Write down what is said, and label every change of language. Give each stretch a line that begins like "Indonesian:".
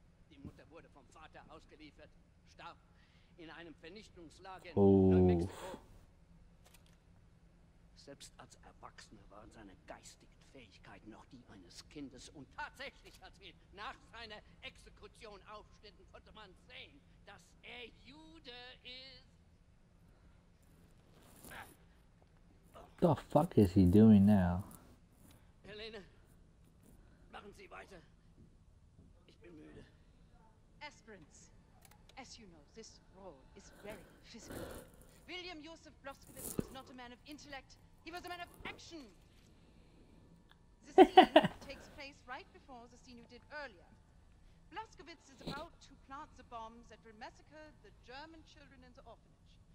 German: Die Mutter wurde vom Vater ausgeliefert, starb in einem Vernichtungslager in Mexiko. Selbst als Erwachsener waren seine geistigen Fähigkeiten noch die eines Kindes. Und tatsächlich, als wir nach seiner Exekution aufschnitten, konnte man sehen, dass er Jude ist.
English: What the fuck is he doing now?
German: Helene, machen Sie weiter. Ich bin müde.
English: Aspirants, as you know, this role is very physical. William Joseph Blazkowicz was not a man of intellect. He was a man of action. The scene takes place right before the scene you did earlier. Blazkowicz is about to plant the bombs that will massacre the German children in the orphanage.